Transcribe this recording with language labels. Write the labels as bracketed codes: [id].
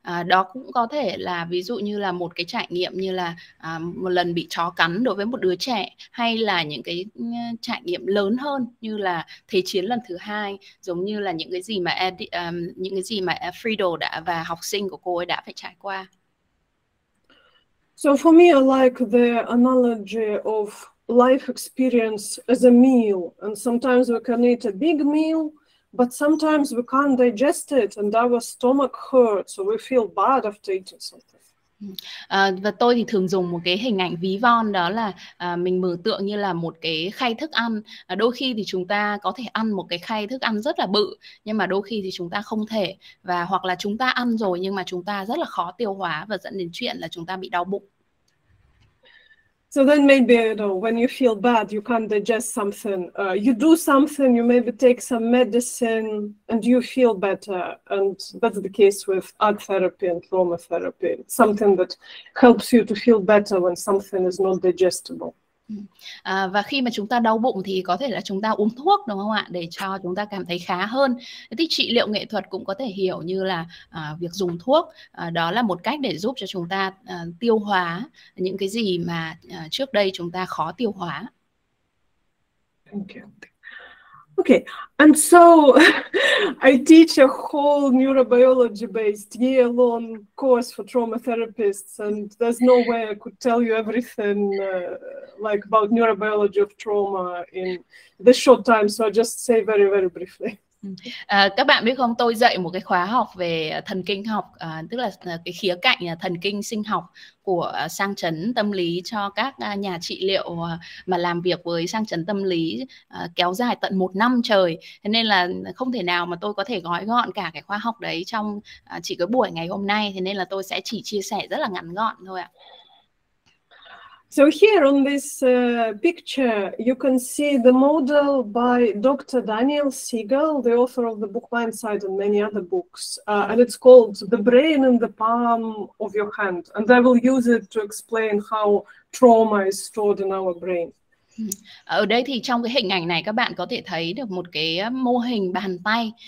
[vi] Đó cũng có thể là ví dụ như là một cái trải nghiệm như là một lần bị chó cắn đối với một đứa trẻ, hay là những cái trải nghiệm lớn hơn như là thế chiến lần thứ hai, giống như là những cái gì mà Friedel đã và học sinh của cô ấy đã phải trải qua. [en] So for me, I like the analogy of life experience as a meal, and sometimes we can eat a big meal, but sometimes we can't digest it and our stomach hurts, so we feel bad after eating something. [vi] Và tôi thì thường dùng một cái hình ảnh ví von, đó là mình mường tượng như là một cái khay thức ăn. Đôi khi thì chúng ta có thể ăn một cái khay thức ăn rất là bự, nhưng mà đôi khi thì chúng ta không thể, và hoặc là chúng ta ăn rồi nhưng mà chúng ta rất là khó tiêu hóa và dẫn đến chuyện là chúng ta bị đau bụng. [en] So then maybe, you know, when you feel bad, you can't digest something. You do something, you maybe take some medicine and you feel better. And that's the case with art therapy and trauma therapy. It's something that helps you to feel better when something is not digestible. [vi] À, và khi mà chúng ta đau bụng thì có thể là chúng ta uống thuốc đúng không ạ, để cho chúng ta cảm thấy khá hơn. Thì trị liệu nghệ thuật cũng có thể hiểu như là việc dùng thuốc, đó là một cách để giúp cho chúng ta tiêu hóa những cái gì mà trước đây chúng ta khó tiêu hóa. [en] Okay. Okay, and so I teach a whole neurobiology-based year-long course for trauma therapists, and there's no way I could tell you everything like about neurobiology of trauma in this short time, so I'll just say very, very briefly. [vi] À, các bạn biết không, tôi dạy một cái khóa học về thần kinh học, tức là cái khía cạnh thần kinh sinh học của sang chấn tâm lý cho các nhà trị liệu mà làm việc với sang chấn tâm lý, kéo dài tận 1 năm trời. Thế nên là không thể nào mà tôi có thể gói gọn cả cái khóa học đấy trong chỉ cái buổi ngày hôm nay. Thế nên là tôi sẽ chỉ chia sẻ rất là ngắn gọn thôi ạ. [en] So here on this picture, you can see the model by Dr. Daniel Siegel, the author of the book Mindsight and many other books. And it's called The Brain in the Palm of Your Hand. And I will use it to explain how trauma is stored in our brain. [vi] Ở đây thì trong cái hình ảnh này các bạn có thể thấy được một cái mô hình bàn tay.